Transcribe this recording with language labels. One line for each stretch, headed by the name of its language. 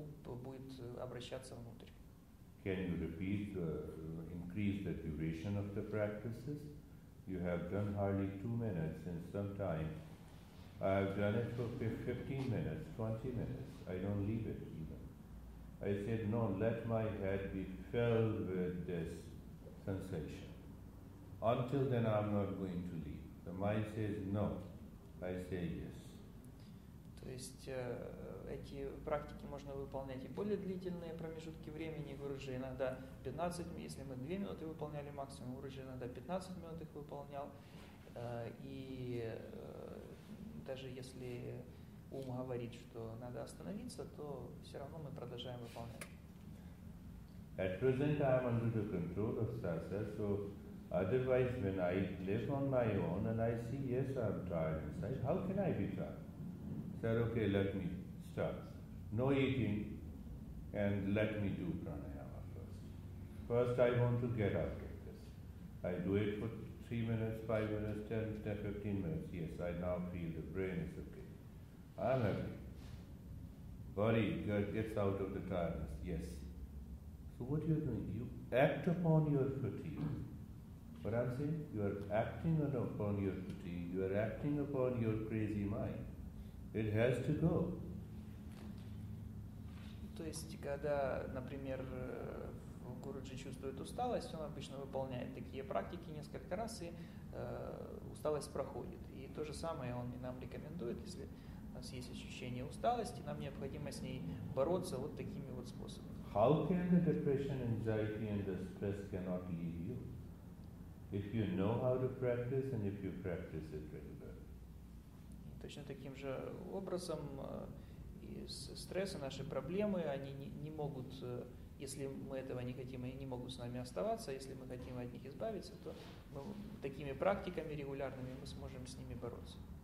Russian: будет обращаться внутрь.
English: Can you repeat the increase the duration of the practices? You have done hardly 2 minutes in some time. I've done it for 15 minutes, 20 minutes. I don't leave it even. I said, no, let my head be filled with this sensation. Until then, I'm not going to leave. The mind says, no. I say, yes.
Russian: То есть эти практики можно выполнять и более длительные промежутки времени. Гуруджи иногда 15 минут, если мы 2 минуты выполняли максимум, Гуруджи иногда 15 минут их выполнял. И даже если ум говорит, что надо остановиться, то все равно мы продолжаем выполнять.
English: At present I am under the control of Sasa, so otherwise when I live on my own and I see, yes, I'm tired inside, how can I be tired? Said, okay, let me start. No eating, and let me do pranayama first. First, I want to get up like this. I do it for 3 minutes, 5 minutes, 10, 15 minutes. Yes, I now feel the brain is okay. I'm happy. Body gets out of the tiredness. Yes. So what you're doing, you act upon your fatigue. What I'm saying, you are acting upon your fatigue. You are acting upon your crazy mind. It has to go.
Russian: То есть, когда, например, Гуруджи чувствует усталость, он обычно выполняет такие практики несколько раз, и усталость проходит. И то же самое он нам рекомендует, если у нас есть ощущение усталости, нам необходимо с ней бороться вот такими вот способами.
English: How can the depression, anxiety and the stress cannot leave you? If you know how to practice and if you practice it regularly.
Russian: Точно таким же образом и стресс, и наши проблемы, они не могут, если мы этого не хотим, они не могут с нами оставаться, если мы хотим от них избавиться, то мы, такими практиками регулярными мы сможем с ними бороться.